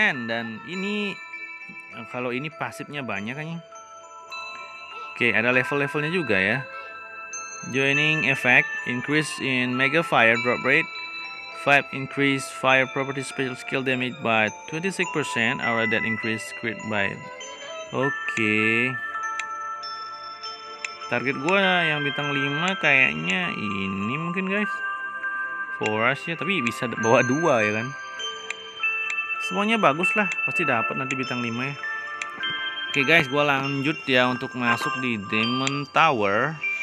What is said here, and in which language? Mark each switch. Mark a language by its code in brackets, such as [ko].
[id] Dan ini kalau ini pasifnya banyak kan. Oke, ada level-levelnya juga ya. [en] Joining effect increase in mega fire drop rate, 5 increase fire property special skill damage by 26%, aura that increase crit by. Oke. [id] Target gue yang bintang 5 kayaknya ini mungkin guys. Forest ya, tapi bisa bawa 2 ya kan. Semuanya bagus lah, pasti dapat nanti bintang 5 ya. Oke guys, gue lanjut ya untuk masuk di Demon Tower.